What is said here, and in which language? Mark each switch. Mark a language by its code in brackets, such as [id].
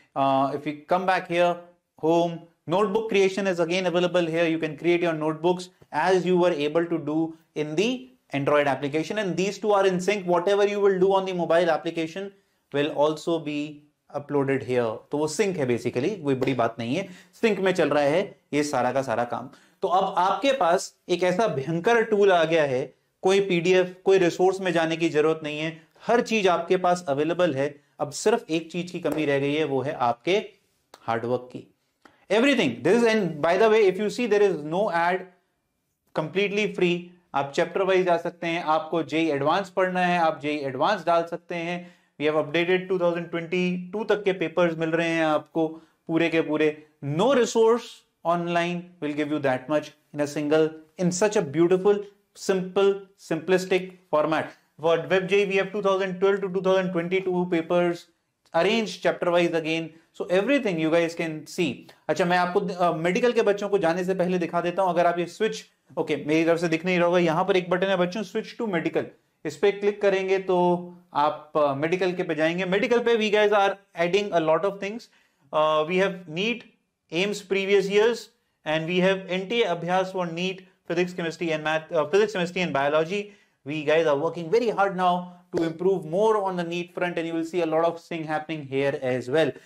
[en] If you come back here, home, notebook creation is again available here. You can create your notebooks as you were able to do in the Android application, and these two are in sync. Whatever you will do on the mobile application will also be uploaded here. [hi] तो वो sync है basically, कोई बड़ी बात नहीं है, sync में चल रहा है ये सारा का सारा काम। तो अब आपके पास एक ऐसा भयंकर टूल आ गया है, कोई PDF, कोई रिसोर्स में जाने की जरूरत नहीं है, हर चीज आपके पास अवेलेबल है। अब सिर्फ एक चीज की कमी रह गई है, वो है आपके हार्डवर्क की। [en] Everything. This is, and by the way, if you see, there is no ad, completely free. [hi] आप chapter wise जा सकते हैं, आपको JEE Advanced पढ़ना है, आप JEE Advanced डाल सकते हैं। [en] We have updated [hi] 2022 तक के papers मिल रहे हैं आपको पूरे के पूरे। [en] No resource online will give you that much in a single, in such a beautiful, simple, simplistic format. for WebJEE, we have 2012 to 2022 papers arranged chapter-wise again. So everything you guys can see. [hi] अच्छा मैं आपको medical के बच्चों को जाने से पहले दिखा देता हूँ. अगर आप ये switch, okay, मेरी तरफ से दिख नहीं रहा होगा, यहाँ पर एक button है बच्चों, [en] switch to medical. [hi] इस पे क्लिक करेंगे तो आप medical के पे जाएंगे. [en] Medical पे we guys are adding a lot of things. We have NEET, AIMS previous years, and we have NTA अभ्यास for NEET, physics, chemistry and math, physics, chemistry and biology. We guys are working very hard now to improve more on the NEET front, and you will see a lot of things happening here as well.